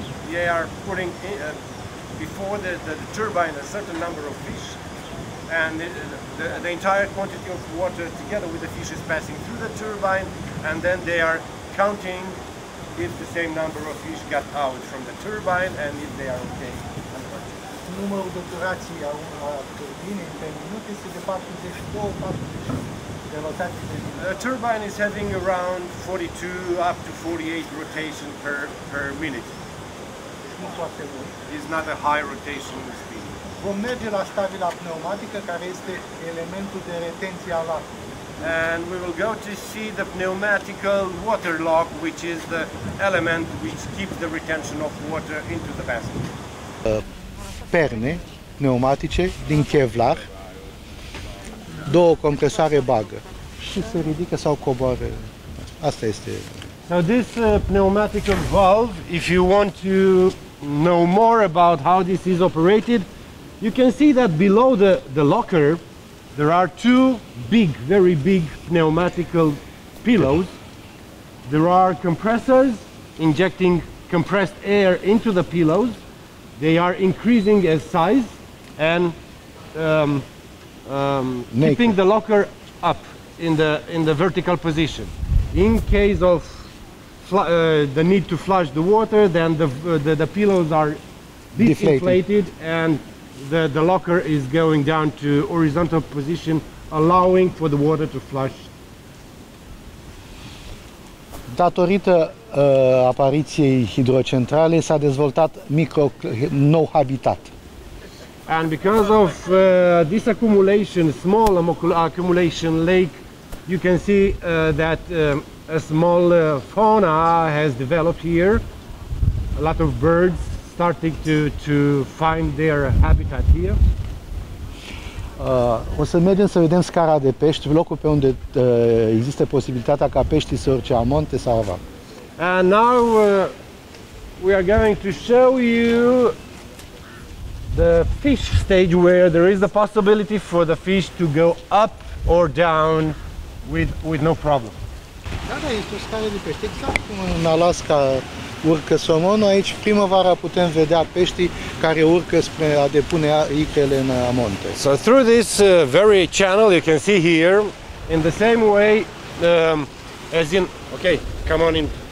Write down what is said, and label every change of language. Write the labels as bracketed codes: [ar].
[en] They are putting in, before the turbine a certain number of fish, and the entire quantity of water together with the fish is passing through the turbine, and then they are counting if the same number of fish got out from the turbine and if they are okay. [ro] Numărul de turații a turbinei pe minut este de 42-45 de rotații pe minut. [en] The turbine is having around 42 up to 48 rotation per minute. [ro] Deci nu foarte mult. [en] It's not a high rotation speed. [ro] Vom merge la stabila pneumatică, care este elementul de retenție a lacului. [en] And we will go to see the pneumatical water lock, which is the element which keeps the retention of water into the basket. [ro] Perne pneumatice din Kevlar, două compresoare bagă și se ridică sau coboară. Asta este. [en] Now this pneumatical valve, if you want to know more about how this is operated, you can see that below the locker there are two big, very big pneumatical pillows. There are compressors injecting compressed air into the pillows. They are increasing as size and keeping the locker up in the vertical position. In case of the need to flush the water, then the pillows are deflated and the locker is going down to horizontal position, allowing for the water to flush. [ro] Datorită apariției hidrocentrale s-a dezvoltat nou habitat. [en] And because of this accumulation, small accumulation lake, you can see that a small fauna has developed here. A lot of birds starting to find their habitat here. [ro] O să mergem să vedem scara de pești, locul pe unde există posibilitatea ca peștii să urce amonte sau ava. [en] And now we are going to show you the fish stage where there is the possibility for the fish to go up or down with no problem. [ro] Da, este o scară de pești, exact cum în Alaska urcă somonul, aici primăvara putem vedea peștii care urcă spre a depune icrele în amonte. [en] So through this very channel you can see here, in the same way as in, okay, come on in.